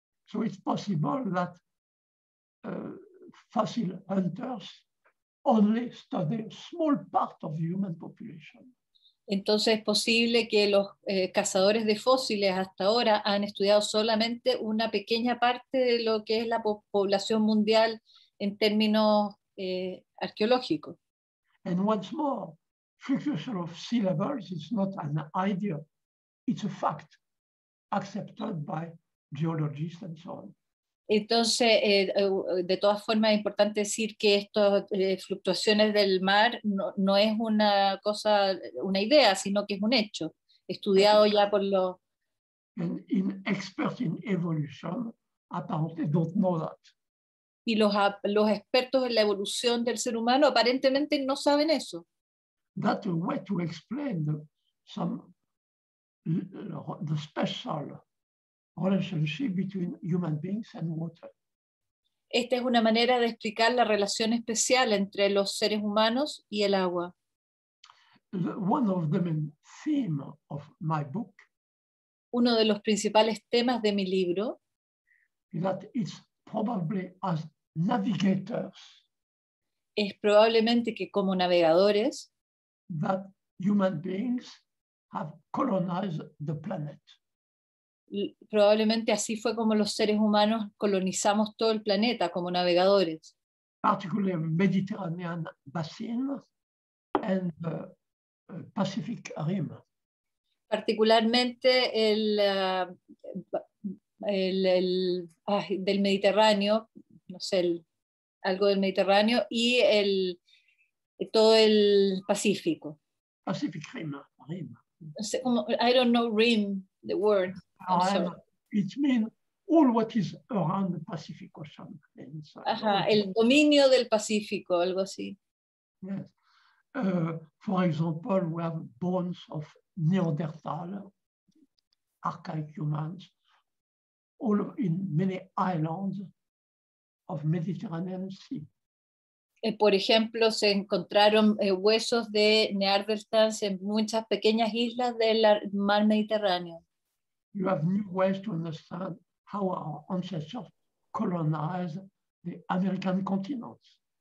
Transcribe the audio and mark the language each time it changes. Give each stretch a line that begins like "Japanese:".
English: So it's possible that fossil hunters only study a small part of the human population.
Spanish: Entonces, ¿es posible que los cazadores de fósiles hasta ahora han estudiado solamente una pequeña parte de lo que es la población mundial en términos arqueológicos?
English: And once more, fluctuation of sea levels is not an idea. It's a fact accepted by geologists and so on.
Spanish: Entonces, de todas formas, es importante decir que estas fluctuaciones del mar no es una cosa, una idea, sino que es un hecho, estudiado ya por los...
English: In experts in evolution apparently don't know that.
Spanish: Y los expertos en la evolución del ser humano aparentemente no saben eso.
English: That's a way to explain the special relationship between human beings and water.
Spanish: Esta es una manera de explicar la relación especial entre los seres humanos y el agua.
English: One of the main theme of my book.
Spanish: Uno de los principales temas de mi libro.
English: That it's probably as navigators.
Spanish: Es probablemente que como navegadores.
English: That human beings have colonized the planet.
Spanish: Probablemente así fue como los seres humanos colonizamos todo el planeta como navegadores.
English: Particularly the Mediterranean Basin and the Pacific Rim.
Spanish: Particularmente del Mediterráneo, no sé, algo del Mediterráneo y todo el Pacífico.
English: Pacific Rim. Rim.
Spanish: No sé, como,
English: I don't know rim, the word. It means all what is around the Pacific Ocean.
Spanish: El dominio del Pacífico, algo así.
English: Yes. For example, we have bones of Neanderthal, archaic humans, all in many islands of Mediterranean Sea.
Spanish: Por ejemplo, se encontraron huesos de Neanderthals en muchas pequeñas islas del mar Mediterráneo.
English: You have new ways to understand how our ancestors colonized the American continents.